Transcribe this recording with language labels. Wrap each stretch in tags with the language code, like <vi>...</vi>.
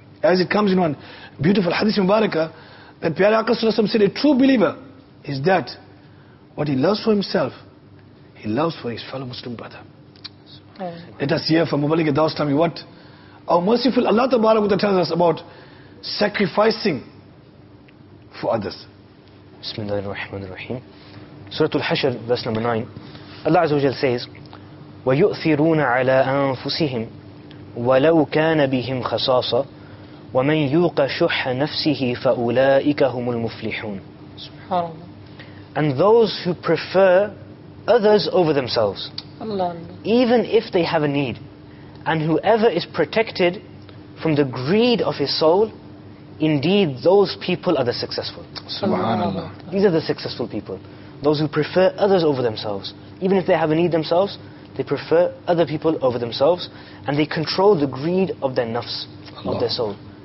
<en>As it comes in one beautiful hadith mubarakah, that Piyari Aqas Rasulullah said, a true believer is that what he loves for himself, he loves for his fellow Muslim brother. Let us hear from Mubalik Adawas Tami what our merciful Allah Ta'ala tells us about sacrificing for others. Bismillah ar-Rahman ar-Rahim. Surah Al-Hashr, verse number 9.</en> <ar>Allah Azza wa Jal says, وَيُؤْثِرُونَ عَلَىٰ أَنفُسِهِمْ وَلَوْ كَانَ بِهِمْ خَصَاصَ وَمَنْ يُوقَ شُحَّ نَفْسِهِ فَأُولَٰئِكَ هُمُ الْمُفْلِحُونَ. SubhanAllah.</ar> <en>And those who prefer others over themselves, Allah, even if they have a need, and whoever is protected from the greed of his soul, indeed those people are the successful.</en> <ar>SubhanAllah.</ar> <en>These are the successful people. Those who prefer others over themselves, even if they have a need themselves, they prefer other people over themselves, and they control the greed of their nafs, Allah, of their soul.</en>